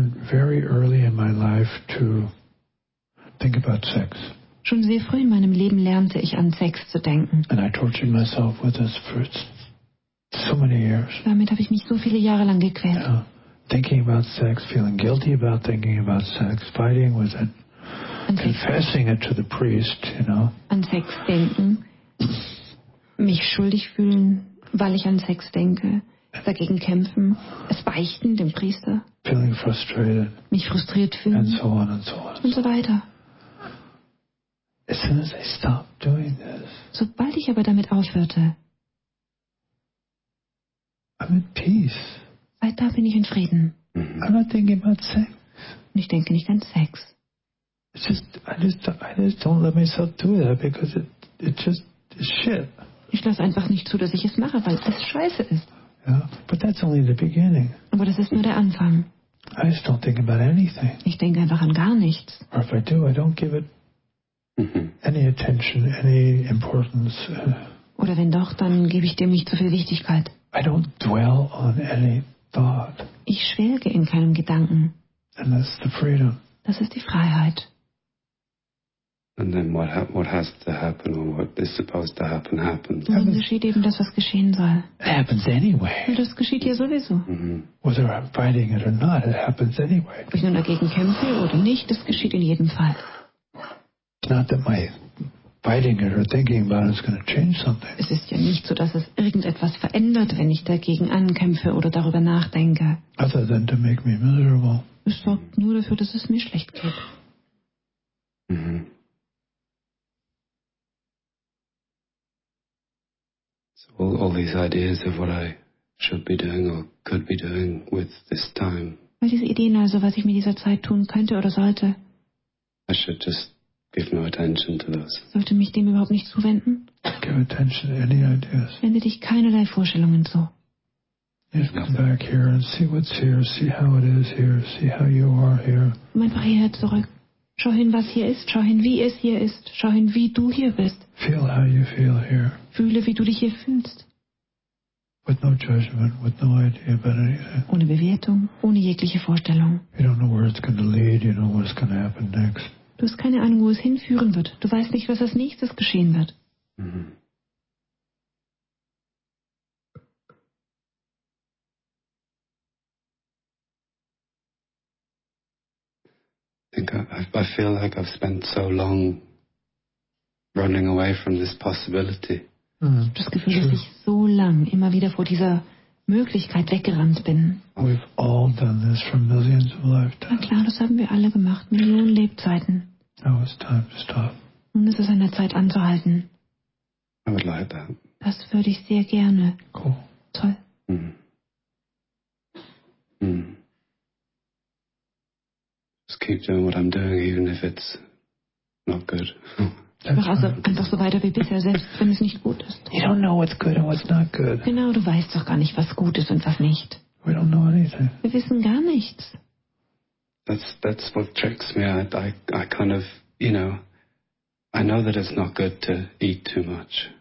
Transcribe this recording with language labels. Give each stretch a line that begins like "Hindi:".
English: very early in my life to think about sex.
German: Schon sehr früh in meinem Leben lernte ich an Sex zu denken.
English: And I tortured myself with this for so many years.
German: Damit habe ich mich so viele Jahre lang gequält. Yeah.
English: Thinking about sex, feeling guilty about thinking about sex, fighting with it, confessing it to the priest, you know.
German: An Sex denken, mich schuldig fühlen, weil ich an Sex denke, dagegen kämpfen, es beichten dem Priester.
English: Feeling frustrated.
German: Mich frustriert fühlen.
English: And so on and so on.
German: Und so weiter.
English: As soon as I stopped doing this,
German: sobald ich aber damit aufhörte,
English: I'm at peace.
German: Da bin ich in Frieden.
English: I'm not thinking about sex.
German: Und ich denke nicht an Sex.
English: It's just, I just don't let myself do it because it just is shit.
German: Ich lasse einfach nicht zu, dass ich es mache, weil es scheiße ist.
English: Yeah, but that's only the beginning.
German: Aber das ist nur der Anfang.
English: I just don't think about anything.
German: Ich denke einfach an gar nichts.
English: Or if I do, I don't give it any attention, any importance.
German: Oder wenn doch, dann gebe ich dem nicht so viel Wichtigkeit.
English: I don't dwell on any.
German: Ich schwelge in keinem Gedanken.
English: And that's the freedom.
German: Das ist die Freiheit.
English: And then what has to happen or what is supposed to happen happens.
German: Und dann geschieht eben das, was geschehen soll.
English: It happens anyway.
German: Und das geschieht ja sowieso.
English: Whether I'm fighting it or not, it happens anyway.
German: Ob ich nun dagegen kämpfe oder nicht, das geschieht in jedem Fall.
English: Not that my fighting it or thinking about it is going to change something.
German: Es ist ja nicht so, dass es irgendetwas verändert, wenn ich dagegen ankämpfe oder darüber nachdenke.
English: Other than to make me miserable.
German: Es sorgt nur dafür, dass es mir schlecht geht.
English: So all these ideas of what I should be doing or could be doing with this time.
German: All diese Ideen also, was ich mit dieser Zeit tun könnte oder sollte.
English: I should just give no attention to those.
German: Sollte mich dem überhaupt nicht zuwenden?
English: Give attention to any ideas.
German: Wende dich keinerlei Vorstellungen zu.
English: Just come back here and see what's here, see how it is here, see how you are here.
German: Komm einfach hierher zurück. Schau hin, was hier ist. Schau hin, wie es hier ist. Schau hin, wie du hier bist.
English: Feel how you feel here.
German: Fühle, wie du dich hier fühlst.
English: With no judgment, with no idea about anything.
German: Ohne Bewertung, ohne jegliche Vorstellung.
English: You don't know where it's going to lead. You know what's going to happen next.
German: Du hast keine Ahnung, wo es hinführen wird. Du weißt nicht, was als nächstes geschehen wird.
English: I feel like I've spent so long running away from this possibility.
German: Das Gefühl, dass ich so lang immer wieder vor dieser Möglichkeit weggerannt bin.
English: We've all done this for millions of lifetimes.
German: Na klar, das haben wir alle gemacht, Millionen Lebzeiten.
English: Now it's time to stop.
German: Nun ist es an der Zeit anzuhalten.
English: I would like that.
German: Das würde ich sehr gerne.
English: Cool.
German: Toll.
English: Just keep doing what I'm doing, even if it's not good.
German: Einfach so weiter wie bisher, selbst wenn es nicht gut ist.
English: You don't know what's good and what's not good.
German: Genau, du weißt doch gar nicht, was gut ist und was nicht.
English: We don't know anything.
German: Wir wissen gar nichts.
English: That's what tricks me. I kind of, you know, I know that it's not good to eat too much.